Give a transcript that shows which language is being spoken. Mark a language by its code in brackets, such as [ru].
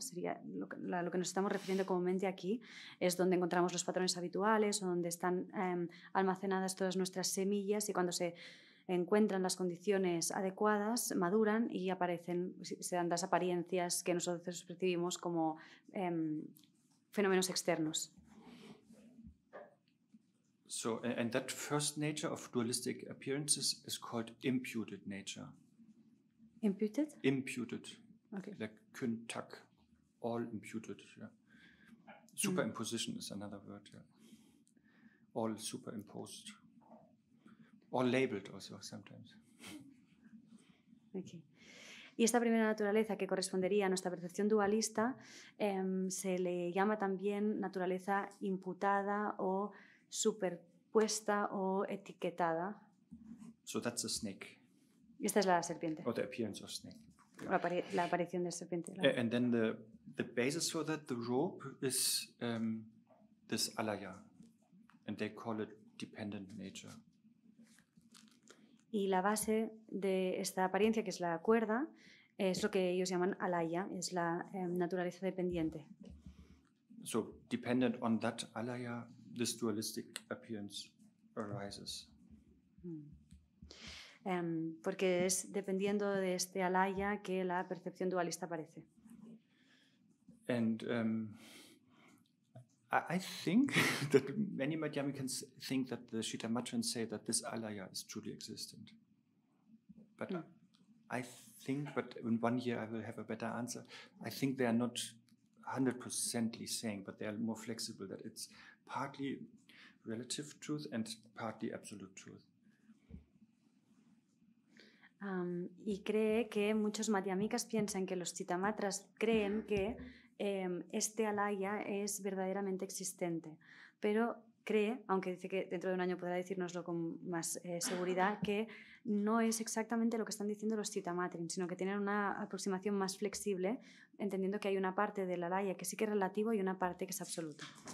[es] Sería lo que nos estamos refiriendo como mente aquí es donde encontramos los patrones habituales o donde están almacenadas todas nuestras semillas y cuando se encuentran las condiciones adecuadas, maduran y aparecen, se dan las apariencias que nosotros percibimos como fenómenos externos. [en] So, and that first nature of dualistic appearances is called imputed nature. Imputed? Imputed. Okay. Like kuntak, all imputed. Yeah. Superimposition is another word. Yeah. All superimposed. All labeled also sometimes. Okay. [es] Y esta primera naturaleza que correspondería a nuestra percepción dualista se le llama también naturaleza imputada o superpuesta o etiquetada. [en] So that's a snake. [es] Y esta es la serpiente. [en] Or the appearance of snake. [es] Yeah. La aparición de serpiente. La... [en] And then the basis for that, the rope, is this alaya. And they call it dependent nature. [es] Y la base de esta apariencia, que es la cuerda, es lo que ellos llaman alaya, es la naturaleza dependiente. [en] So, dependent on that alaya, this dualistic appearance arises. [es] Porque es dependiendo de este alaya que la percepción dualista aparece. [en] And I think that many Madhyamikans think that the Shitamatrans say that this alaya is truly existent. But I think, but in 1 year I will have a better answer. I think they are not 100% saying, but they are more flexible, that it's partly relative truth and partly absolute truth. [es] Y cree que muchos Madhyamikas piensan que los Shitamatras creen que este alaya es verdaderamente existente, pero cree, aunque dice que dentro de un año podrá decirnoslo con más seguridad, que no es exactamente lo que están diciendo los Chittamatrins, sino que tienen una aproximación más flexible, entendiendo que hay una parte del alaya que sí que es relativo y una parte que es absoluta.